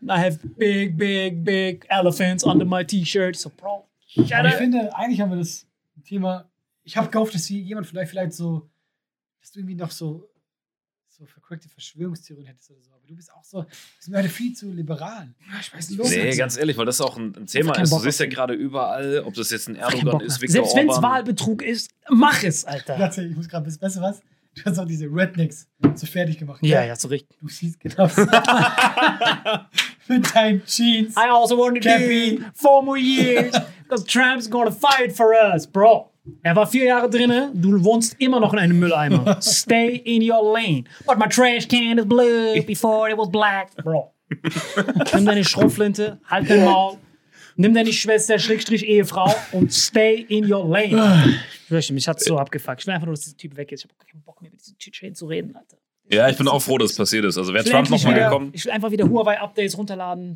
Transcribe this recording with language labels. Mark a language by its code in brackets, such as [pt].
[en] I have big, big, big elephants under my t-shirt. So, bro, shut up. [de] Ich finde, eigentlich haben wir das Thema, ich habe gehofft, dass jemand vielleicht so, dass du irgendwie noch so verkrackte Verschwörungstheorien hättest oder so. Aber du bist auch so, bist mir heute viel zu liberal. Ich weiß nicht, los. Nee, ganz ehrlich, weil das auch ein Thema ist. Du siehst ja gerade überall, ob das jetzt ein Erdogan ist, Viktor Orban. Selbst wenn es Wahlbetrug ist, mach es, Alter. Warte, ich muss gerade, weißt du was? Du hast auch diese Rednecks so fertig gemacht. Ja, ja, so richtig. Du siehst genau mit deinem Jeans. [en] I also wanted to be 4 more years, because Trump's gonna fight for us, bro. [de] Er war 4 Jahre drinnen, du wohnst immer noch in einem Mülleimer. [en] Stay in your lane. But my trash can is blue before it was black, bro. [de] Nimm deine Schrumpflinte, halt dein Maul, nimm deine Schwester, / Ehefrau und [en] stay in your lane. [de] Ich wünsche, mich hat's so abgefuckt. Ich will einfach nur, dass dieser Typ weg ist. Ich hab keinen Bock mehr mit diesem Chit-Chain zu reden, Alter. Ja, ich bin auch froh, dass es passiert ist. Also wäre Trump nochmal gekommen. Ich will einfach wieder Huawei-Updates runterladen.